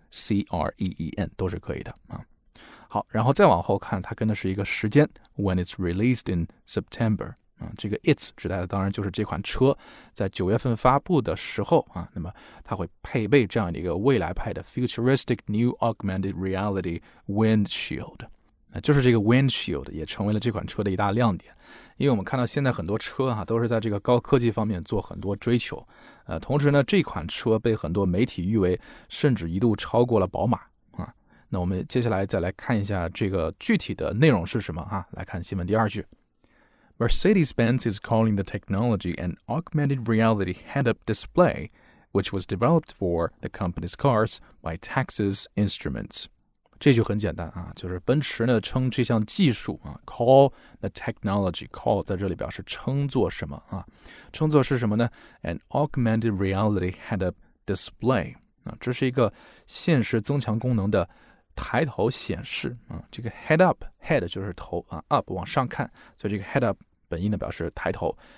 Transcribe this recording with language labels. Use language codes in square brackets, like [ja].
[zh] CREEN 都是可以的、啊、好，然后再往后看它跟的是一个时间 [en] When it's released in September、 [zh] 啊、这个 it's 指代的当然就是这款车在九月份发布的时候、啊、那么它会配备这样的一个未来派的 [en] Futuristic New Augmented Reality Windshield、 [zh] 啊、就是这个 Windshield 也成为了这款车的一大亮点，因为我们看到现在很多车、啊、都是在这个高科技方面做很多追求，同时呢这款车被很多媒体誉为甚至一度超过了宝马、啊、那我们接下来再来看一下这个具体的内容是什么、啊、来看新闻第二句。 [en] Mercedes-Benz is calling the technology an augmented reality head-up display, which was developed for the company's cars by Texas Instruments. [zh] 这句很简单啊，就是奔驰呢称这项技术啊 [en] call the technology, [zh] call 在这里表示称作什么啊，称作是什么呢 [en] an augmented reality head-up display, [zh] 啊这是一个现实增强功能的抬头显示啊，这个 head-up, head 就是头啊 up 往上看，所以这个 head-up 本意呢表示抬头。